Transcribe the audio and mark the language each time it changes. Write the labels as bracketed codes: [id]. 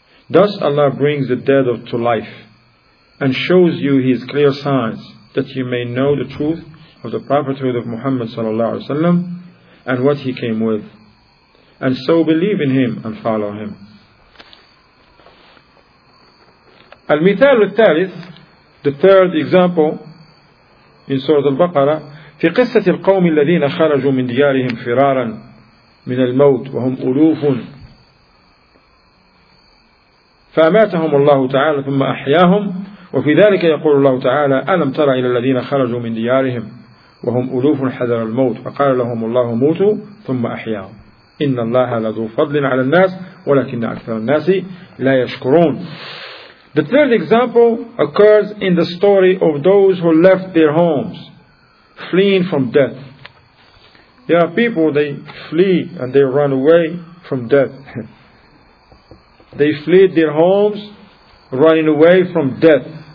[en] Thus Allah brings the dead to life and shows you his clear signs, that you may know the truth of the prophethood of Muhammad sallallahu alaihi wasallam and what he came with, and so believe in him and follow him. [ar] Al-Mithal al-Thalith, [en] the third example in Surah Al-Baqarah, [ar] في قصة القوم الذين خرجوا من ديارهم فرارا من الموت وهم ألوف فأماتهم الله تعالى ثم أحياهم. وفي ذلك يقول الله تعالى ألم تر إلى الذين خرجوا من ديارهم وهم ألوف حذر الموت فقال لهم الله موتوا ثم أحياهم إن الله لذو فضل على الناس ولكن أكثر الناس لا يشكرون. [en] The third example occurs in the story of those who left their homes fleeing from death. There are people, they flee and they run away from death. They fled their homes, running away from death.